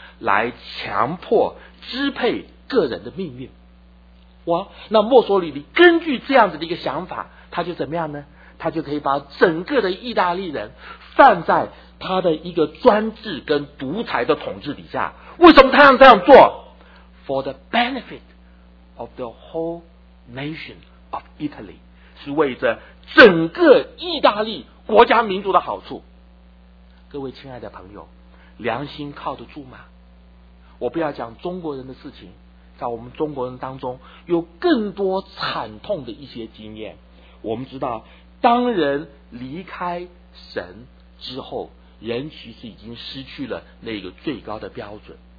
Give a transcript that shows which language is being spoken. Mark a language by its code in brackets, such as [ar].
[zh] 来强迫支配个人的命运。哇，那墨索里尼根据这样子的一个想法，他就怎么样呢？他就可以把整个的意大利人放在他的一个专制跟独裁的统治底下。为什么他要这样做？ [en] For the benefit of the whole nation of Italy， [zh] 是为着整个意大利国家民族的好处。各位亲爱的朋友，良心靠得住吗？我不要讲中国人的事情，在我们中国人当中有更多惨痛的一些经验。我们知道当人离开神之后，人其实已经失去了那个最高的标准。